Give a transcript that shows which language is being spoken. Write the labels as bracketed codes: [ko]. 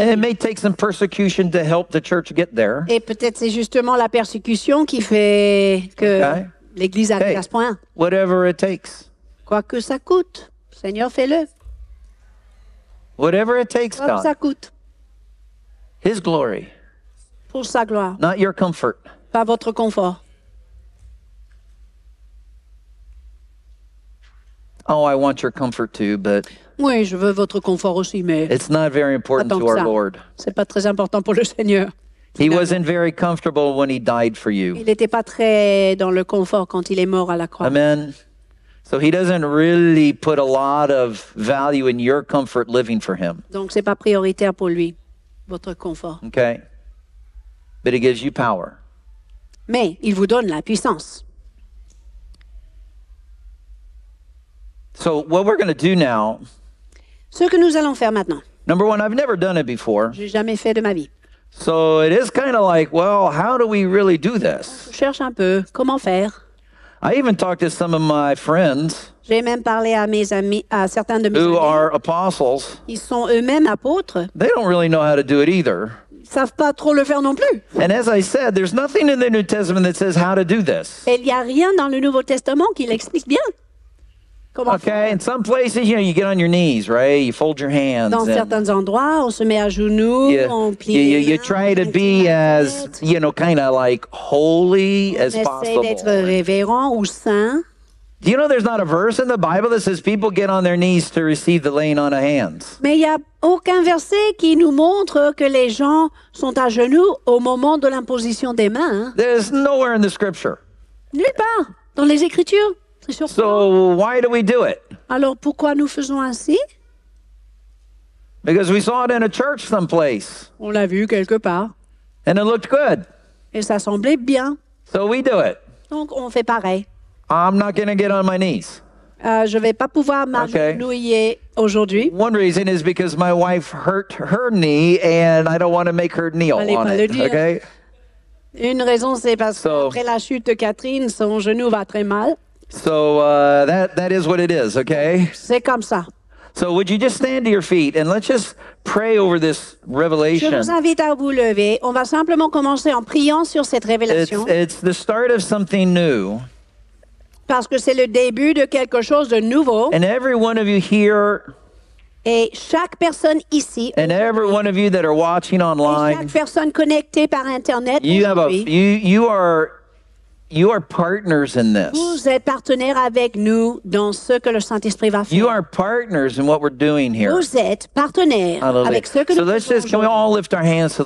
[en] And it may take some persecution to help the church get there. [fr] Et peut-être c'est justement la persécution qui fait que okay. L'église arrive à ce point. [en] Whatever it takes. [fr] Quoi que ça coûte, Seigneur, fais-le. [en] Whatever it takes, [fr] quoi [en] God. [fr] Quoi que ça coûte. [en] His glory. [fr] Pour sa gloire. [en] Not your comfort. [fr] Pas votre confort. [en] Oh, I want your comfort too, but [fr] oui, je veux votre confort aussi, mais [en] it's not very important to our Lord. [fr] C'est pas très important pour le Seigneur. [en] He wasn't very comfortable when he died for you. [fr] Il n'était pas très dans le confort quand il est mort à la croix. [en] Amen. So he doesn't really put a lot of value in your comfort living for him. [fr] Donc c'est pas prioritaire pour lui, votre confort. [en] Okay. But he gives you power. [fr] Mais il vous donne la puissance. [en] So what we're going to do now, [fr] ce que nous allons faire maintenant. [en] Number one, I've never done it before. [fr] J'ai jamais fait de ma vie. [en] So it is kind of like, well, how do we really do this? [fr] Je cherche un peu, comment faire? [en] I even talked to some of my friends. [fr] J'ai même parlé à mes amis, à certains de mes [en] who [fr] amis. [en] Are apostles. [fr] Ils sont eux-mêmes apôtres. [en] They don't really know how to do it either. [fr] Ils savent pas trop le faire non plus. [en] And as I said, there's nothing in the New Testament that says how to do this. [fr] Il y a rien dans le Nouveau Testament qui l'explique bien. [en] Okay, in some places, you know, you get on your knees, right? You fold your hands. [fr] Dans certains endroits, on se met à genoux, on plie. [en] You try to be as, you know, kind of like holy as possible. [fr] On essaie d'être révérent ou saint. [en] Do you know there's not a verse in the Bible that says people get on their knees to receive the laying on of hands? [fr] Mais il n'y a aucun verset qui nous montre que les gens sont à genoux au moment de l'imposition des mains. [en] There's nowhere in the scripture. [fr] Nulle part dans les Écritures. [en] So why do we do it? [fr] Alors pourquoi nous faisons ainsi? [en] Because we saw it in a church someplace. [fr] On l'a vu quelque part. [en] And it looked good. [fr] Et ça semblait bien. [en] So we do it. [fr] Donc on fait pareil. [en] I'm not going to get on my knees. [fr] Je vais pas pouvoir m'agenouiller aujourd'hui. [en] One reason is because my wife hurt her knee and I don't want to make her kneel on it. Okay? [fr] Une raison c'est parce qu'après la chute de Catherine, son genou va très mal. [en] So that is what it is, okay? [fr] C'est comme ça. [en] So would you just stand to your feet and let's just pray over this revelation. [fr] Je vous invite à vous lever. On va simplement commencer en priant sur cette révélation. [en] It's the start of something new. [fr] Parce que c'est le début de quelque chose de nouveau. [en] And every one of you here. [fr] Et chaque personne ici. [en] And every one of you that are watching online. [fr] Et chaque personne connectée par internet. [en] You are partners in this. [fr] Vous êtes partenaires avec nous dans ce que le Saint-Esprit va faire. [en] You are partners in what we're doing here. [fr] Vous êtes partenaires [en] Hallelujah. [fr] Avec ce que [en] so [fr] nous [en] let's [fr] faisons. [en] So can we all lift our hands to the